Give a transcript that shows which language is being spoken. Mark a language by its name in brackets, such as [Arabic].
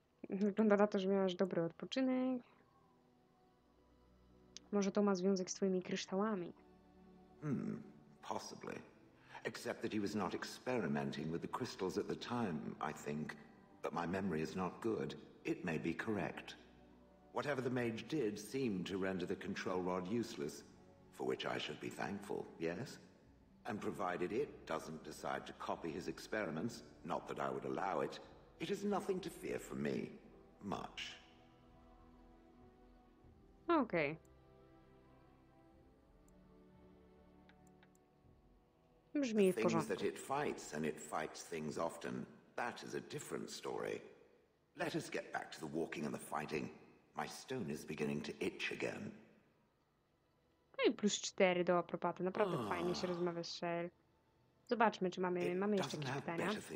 [Polish] Wygląda na to, że miałaś dobry odpoczynek. Może to ma związek z twoimi kryształami? [English] Possibly. Except that he was not experimenting with the crystals at the time, I think. But my memory is not good. It may be correct. Whatever the mage did seemed to render the control rod useless, for which I should be thankful, yes? And provided it doesn't decide to copy his experiments, not that I would allow it, it is nothing to fear from me. Much. Okay. [Polish] Brzmi w porządku. [English] Things that it fights, and it fights things often, that is a different story. Let us get back to the walking and the fighting. My stone is beginning to itch again. [Polish] No i plus 4 do apropaty. Naprawdę fajnie się rozmawia z Shell. Zobaczmy, czy mamy jeszcze jakieś pytania.